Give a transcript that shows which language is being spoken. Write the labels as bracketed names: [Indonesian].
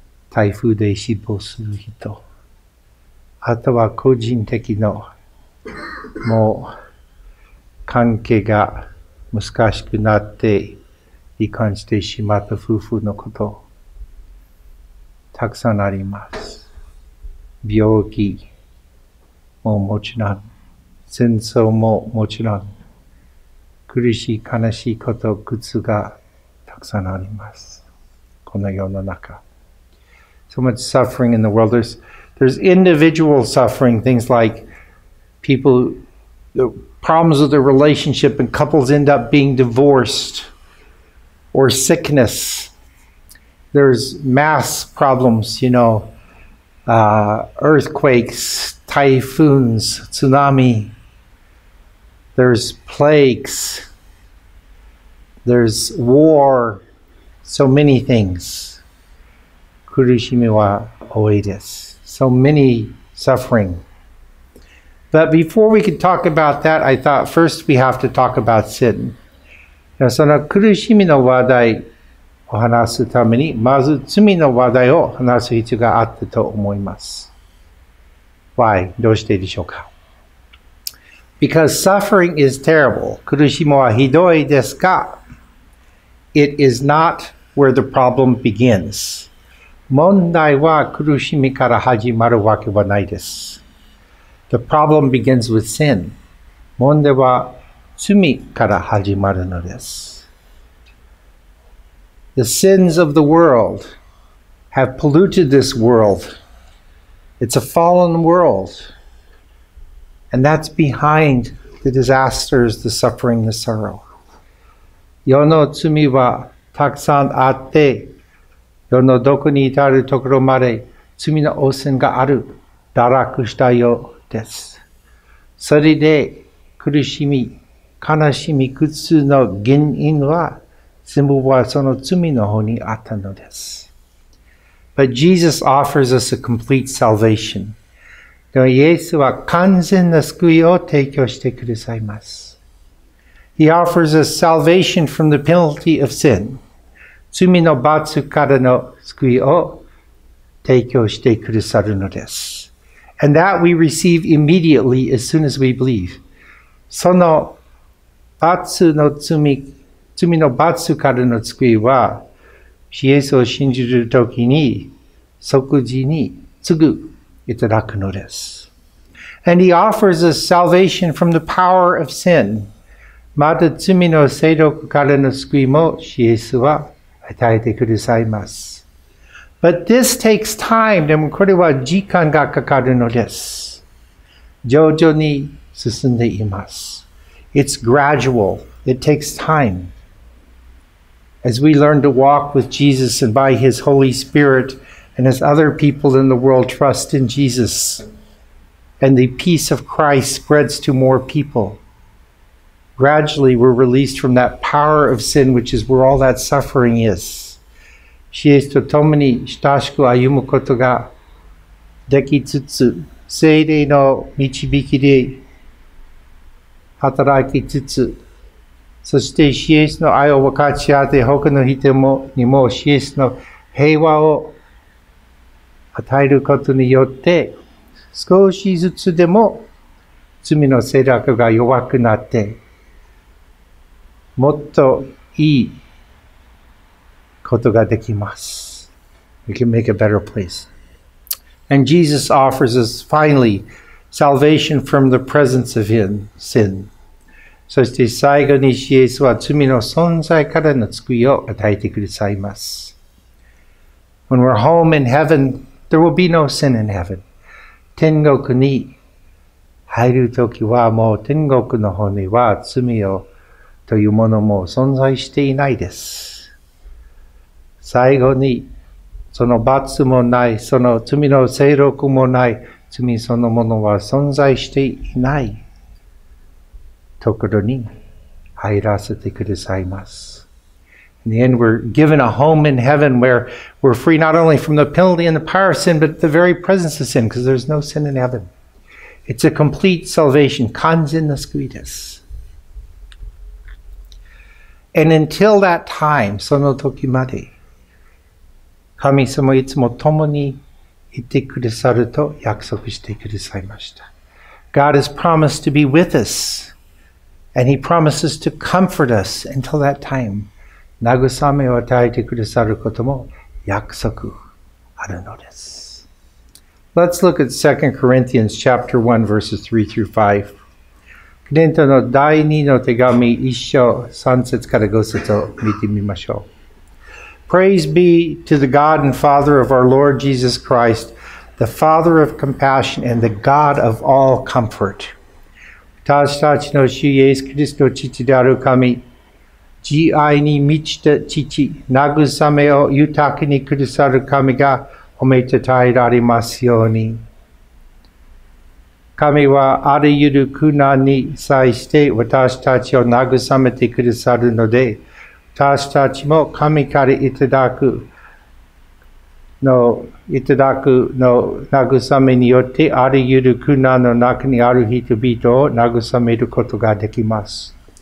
[Japanese] 台風で死亡する人、あとは個人的のもう関係が難しくなって離婚してしまった夫婦のこと、たくさんあります。病気ももちろん、戦争ももちろん、苦しい悲しいこと苦痛がたくさんあります。この世の中 [English] So much suffering in the world. There's individual suffering, things like people, the problems of their relationship, and couples end up being divorced, or sickness. There's mass problems, you know, earthquakes, typhoons, tsunami. There's plagues. There's war. So many things. [Japanese] 苦しみは多いです。 [English] So many suffering. But before we could talk about that, I thought first we have to talk about sin. [Japanese] その苦しみの話題を話すために、まず罪の話題を話す必要があったと思います。 [English] Why? [Japanese] どうしてでしょうか? [English] Because suffering is terrible. [Japanese] 苦しみはひどいですか? [English] It is not where the problem begins. [Japanese] 問題は苦しみから始まるわけはないです。 [English] The problem begins with sin. [Japanese] 問題は罪から始まるのです。 [English] The sins of the world have polluted this world. It's a fallen world. And that's behind the disasters, the suffering, the sorrow. [Japanese] 世の罪はたくさんあって、世のどこに至るところまで罪の汚染がある。堕落したよ。それで苦しみ、悲しみ、苦痛の原因は全部はその罪の方にあったのです。 [English] But Jesus offers us a complete salvation. [Japanese] でもイエスは完全な救いを提供してくださいます。 [English] He offers us salvation from the penalty of sin. [Japanese] 罪の罰からの救いを提供してくださるのです。 [English] And that we receive immediately as soon as we believe. [Japanese] その罰の罪、罪の罰からの救いは、イエスを信じるときに、即時にすぐいただくのです。 [English] And he offers us salvation from the power of sin. [Japanese] また罪の勢力からの救いも、イエスは与えてくださいます。 [English] But this takes time. [Japanese] でもこれは時間がかかるのです。徐々に進んでいます。 [English] It's gradual. It takes time. As we learn to walk with Jesus and by His Holy Spirit, and as other people in the world trust in Jesus, and the peace of Christ spreads to more people, gradually we're released from that power of sin, which is where all that suffering is. [Japanese] イエスと共に親しく歩むことができつつ、聖霊の導きで働きつつ、そしてイエスの愛を分かち合って他の人もにもイエスの平和を与えることによって、少しずつでも罪の勢力が弱くなって、もっといいことができます。 [English] We can make a better place. And Jesus offers us finally salvation from the presence of sin. [Japanese] そして最後にイエスは罪の存在からの救いを与えてくださいます。 [English] When we're home in heaven, there will be no sin in heaven. [Japanese] 天国に入るときはもう天国の方には罪をというものも存在していないです。最後にその罰もない、その罪の勢力もない、罪そのものは存在していないところに入らせてくださいます。 [English] In the end, we're given a home in heaven where we're free not only from the penalty and the power of sin, but the very presence of sin, because there's no sin in heaven. It's a complete salvation, [Japanese] 完全な救いです。 [English] And until that time, [Japanese] その時まで、神様いつも共にいてくださると約束してくださいました。 [English] God has promised to be with us, and He promises to comfort us until that time. [Japanese] 慰めを与えてくださることも約束あるのです。 [English] Let's look at 2 Corinthians chapter 1, verses 3 through 5. [Japanese] クレントの第2の手紙1章3節から5節を見てみましょう。 [English] Praise be to the God and Father of our Lord Jesus Christ, the Father of compassion and the God of all comfort. [Japanese] 私たちの主イエスキリストの父である神、慈愛に満ちた父、慰めを豊かにくださる神がおめでたえられますように。神はあらゆる苦難に際して私たちを慰めてくださるので、私たちも神からいただくの慰めによってあらゆる苦難の中にある人々を慰めることができます。